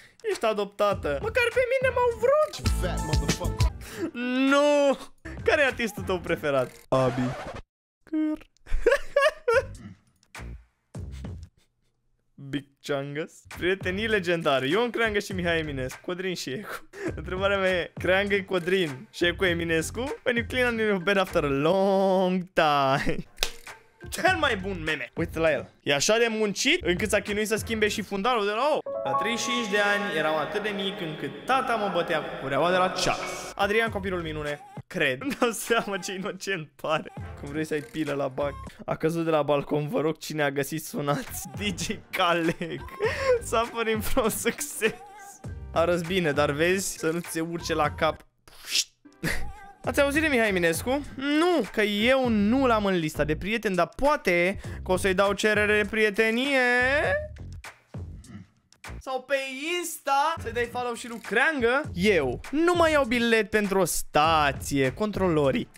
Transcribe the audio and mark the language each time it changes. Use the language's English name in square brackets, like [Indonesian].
[Romanian] Ești adoptată. Măcar pe mine m-au vrut. Nu. Care e artistul tău preferat? Abi. Căr. Big Changas. Prietenii legendari Ion Creangă și Mihai Eminescu. Codrin și Ecu. Întrebarea mea e: Creangă-i Codrin și Ecu Eminescu? [English] When you clean on your bed after a long time. [Romanian] Cel mai bun meme. Uite la el. E așa de muncit încât s-a chinuit să schimbe și fundalul de la ou. La 35 de ani eram atât de mic încât tata mă bătea cu cureaua de la ceas. Adrian, copilul minune. Cred. Nu dau seama ce inocent pare. Cum vrei să ai pilă la bac. A căzut de la balcon, vă rog, cine a găsit sunați. DJ Caleg. [English] Suffering from success. [Romanian] Arăți bine, dar vezi, să nu ți se urce la cap. Ați auzit de Mihai Eminescu? Nu, că eu nu l-am în lista de prieteni, dar poate că o să-i dau cerere de prietenie. Sau pe Insta să-i dai follow și lui Creangă. Eu nu mai iau bilet pentru o stație. Controlorii.